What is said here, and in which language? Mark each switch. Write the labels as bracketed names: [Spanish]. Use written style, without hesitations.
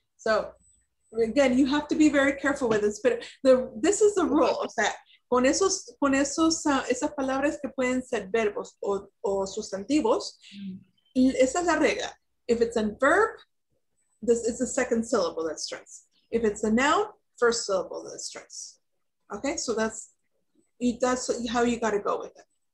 [English] So again, you have to be very careful with this, but this is the rule of that. [Spanish] Con esas palabras que pueden ser verbos o sustantivos, esa es la regla. [English] If it's a verb, this is the second syllable that's stressed. If it's a noun, first syllable that's stressed. Okay, so that's how you got to go with it.